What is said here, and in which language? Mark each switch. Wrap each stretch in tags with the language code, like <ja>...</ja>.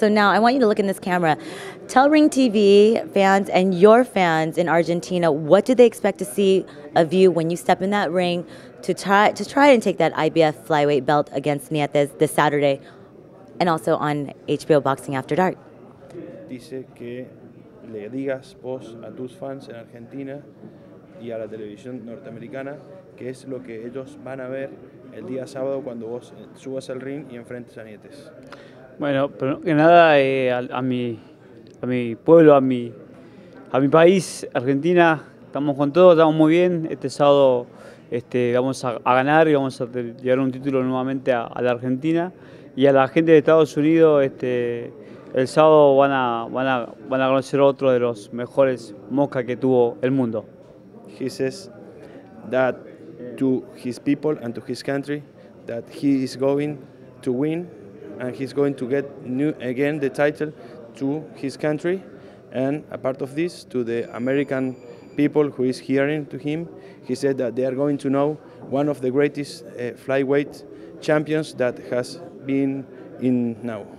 <en>So now I want you to look in this camera. Tell Ring TV fans and your fans in Argentina, what do they expect to see of you when you step in that ring to try and take that IBF flyweight belt against Nietes this Saturday and also on HBO Boxing After Dark?</en> <es>Dice que le digas vos a tus fans en Argentina y a la televisión norteamericana qué es lo que ellos van a ver el día sábado cuando vos subas al ring y enfrentes a Nietes. Bueno, pero que nada, a mi pueblo, a mi país, Argentina, estamos con todo, estamos muy bien. Este sábado vamos a ganar y vamos a llevar un título nuevamente a la Argentina. Y a la gente de Estados Unidos, el sábado van a conocer otro de los mejores moscas que tuvo el mundo.</es> <en>He says that to his people and to his country that he is going to win and he's going to get new again the title to his country, and a part of this to the American people who is hearing to him, he said that they are going to know one of the greatest flyweight champions that has been in now.</en>